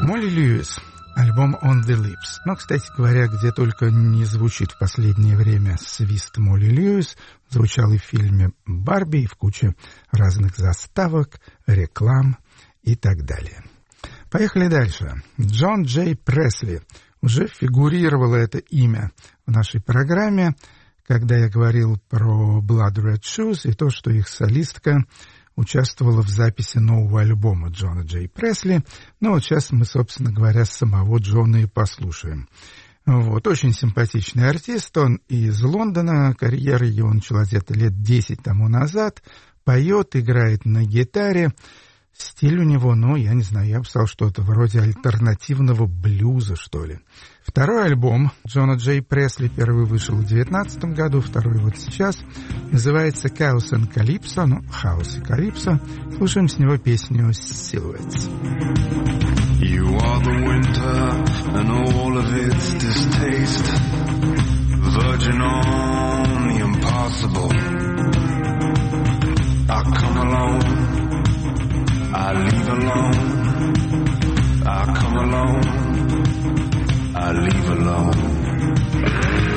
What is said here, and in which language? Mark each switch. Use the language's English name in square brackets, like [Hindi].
[Russian] Льюис, альбом «On the Lips». Но, кстати говоря, где только не звучит в последнее время свист Молли Льюис, звучал и в фильме «Барби», и в куче разных заставок, реклам и так далее. Поехали дальше. Джон Джей Пресли. Уже фигурировало это имя в нашей программе, когда я говорил про Blood Red Shoes и то, что их солистка участвовала в записи нового альбома Джона Джей Пресли. Ну, вот сейчас мы, собственно говоря, самого Джона и послушаем. Вот, очень симпатичный артист, он из Лондона, карьера его началась где-то лет 10 тому назад, поет, играет на гитаре. Стиль у него, ну, я не знаю, я бы сказал, что-то вроде альтернативного блюза, что ли. Второй альбом Джона Джей Пресли, первый вышел в 2019 году, второй вот сейчас, называется «Chaos and Calypso», ну, «Хаос и Калипсо». Слушаем с него песню «Silhouettes». [English] You are the winter and all of its distaste, virgin on the impossible. I come alone, I leave alone, I come alone, I leave alone.